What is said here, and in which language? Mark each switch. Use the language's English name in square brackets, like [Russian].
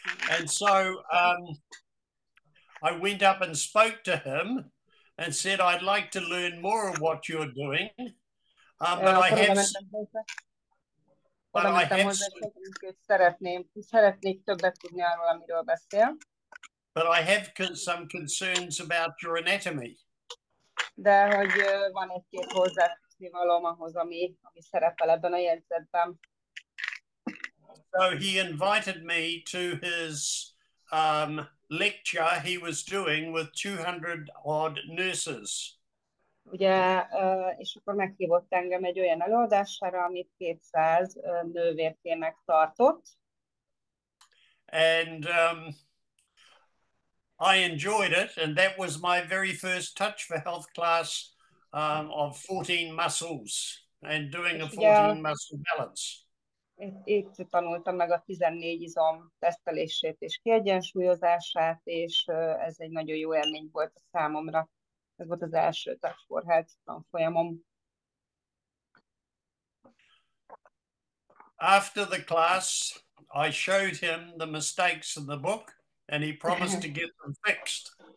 [English] And so I went up and spoke to him and said, I'd like to learn more of what you're doing. But I have some concerns about your anatomy. [Hungarian] De hogy van egy-két hozzáfűzővalóm ahhoz, ami szerepel ebben a jegyzetben. [English] So he invited me to his lecture he was doing with 200 odd nurses. [Hungarian] Ugye, és akkor meghívott engem egy olyan előadására, amit 200 nővérkének tartott. [English] And I enjoyed it, and that was my very first touch for health class of 14 muscles and doing a 14 muscle balance. [Hungarian] Itt tanultam meg a 14 izom tesztelését és kiegyensúlyozását, és ez egy nagyon jó élmény volt a számomra. Ez volt az első Touch for Health tanfolyamom. [English] After the class, I showed him the mistakes in the book, and he promised to get them fixed.